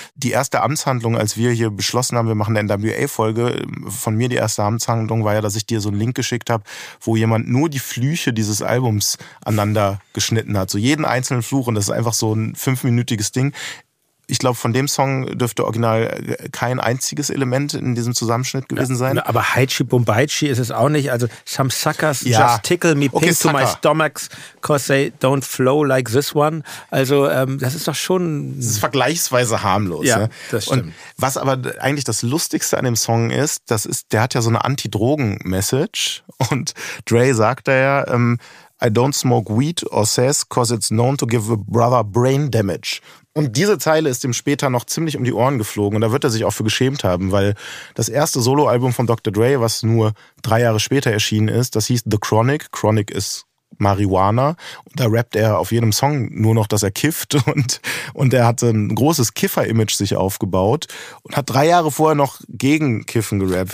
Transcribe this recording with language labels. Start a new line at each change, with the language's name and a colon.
German: Die erste Amtshandlung, als wir hier beschlossen haben, wir machen eine NWA-Folge, von mir die erste Amtshandlung war ja, dass ich dir so einen Link geschickt habe, wo jemand nur die Flüche dieses Albums aneinander geschnitten hat. So jeden einzelnen Fluch. Und das ist einfach so ein fünfminütiges Ding. Ich glaube, von dem Song dürfte original kein einziges Element in diesem Zusammenschnitt gewesen sein. Aber Haichi Bumbaichi ist es auch nicht.
English: Also, some suckers just tickle me pink to my stomachs, cause they don't flow like this one.
German: Also, das ist doch schon... Das ist vergleichsweise harmlos. Ja, ne? Das stimmt. Und was aber eigentlich das Lustigste an dem Song ist, das ist, der hat ja so eine Anti-Drogen-Message. Und Dre sagt da ja,
English: I don't smoke weed or says, cause it's known to give a brother brain damage.
German: Und diese Zeile ist ihm später noch ziemlich um die Ohren geflogen und da wird er sich auch für geschämt haben, weil das erste Soloalbum von Dr. Dre, was nur 3 Jahre später erschienen ist, das hieß The Chronic. Chronic ist Marihuana. Da rappt er auf jedem Song nur noch, dass er kifft und er hat ein großes Kiffer-Image sich aufgebaut und hat 3 Jahre vorher noch gegen Kiffen gerappt.